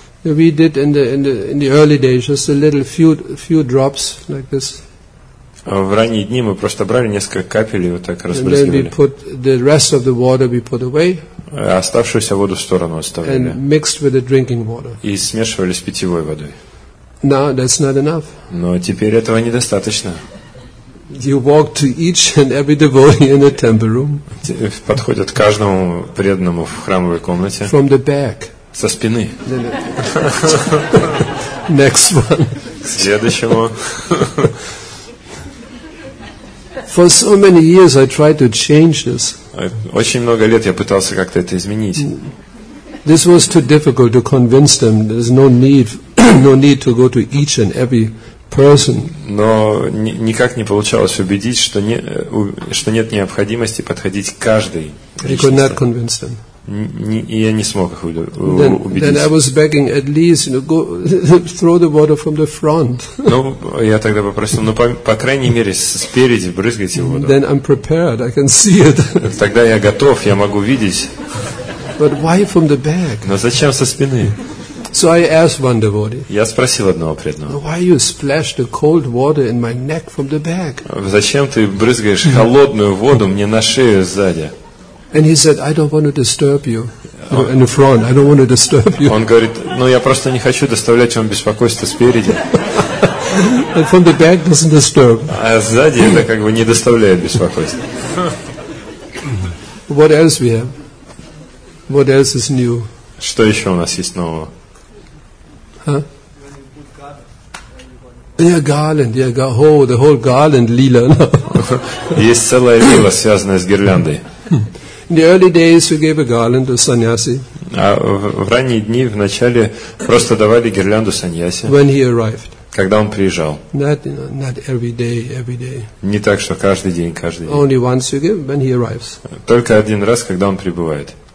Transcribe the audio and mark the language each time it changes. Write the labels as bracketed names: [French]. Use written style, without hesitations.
[English] We did in the early days just a little few drops like this. [Russian] В ранние дни мы просто брали несколько капель и вот так разбрызгивали. [English] And then we put the rest of the water we put away. [Russian] Оставшуюся воду в сторону оставляли. [English] And mixed with the drinking water. [Russian] И смешивали с питьевой водой. [English] No, that's not enough. [Russian] Но теперь этого недостаточно. [English] You walk to each and every devotee in the temple room. [Russian] Подходят к каждому преданному в храмовой комнате. [English] From the back. [Russian] Со спины. [English] Next one. [Russian] К следующему. [English] For so many years I tried to change this. [Russian] Очень много лет я пытался как-то это изменить. [English] This was too difficult to convince them. There's no need to go to each and every person. [Russian] Но никак не получалось убедить, что нет необходимости подходить к каждой личности. [English] I could not convince them. [Russian] Я не смог их убедить. [English] Then I was begging at least, you know, go throw the water from the front. [Russian] Ну, я тогда попросил, по крайней мере спереди брызгайте воду. [English] Then I'm prepared, I can see it. [Russian] Тогда я готов, я могу видеть. [English] But why from the back? [Russian] Но зачем со спины? [English] So I asked one devotee. [Russian] Я спросил одного преданного. [English] Why you splash the cold water in my neck from the back? [Russian] Зачем ты брызгаешь холодную воду мне на шею сзади? [English] And he said, I don't want to disturb you. No, in the front, I don't want to disturb you. [Russian] Он говорит, ну я просто не хочу доставлять вам беспокойство спереди. [English] And from the back doesn't disturb. [Russian] А сзади это как бы не доставляет беспокойства. [English] What else we have? What else is new? [Russian] Что еще у нас есть нового? [English] Huh? Yeah, garland, yeah, the whole garland lila. [Russian] Есть целая лила, связанная с гирляндой. [English] In the early days we gave a garland to sannyasi. [Russian] А в ранние дни в начале просто давали гирлянду саньяси. [English] When he arrived. [Russian] Когда он приезжал. [English] Not, you know, not every day, every day. [Russian] Не так, что каждый день, каждый день. [English] Only once you give when he arrives. [Russian] Только один раз, когда он прибывает.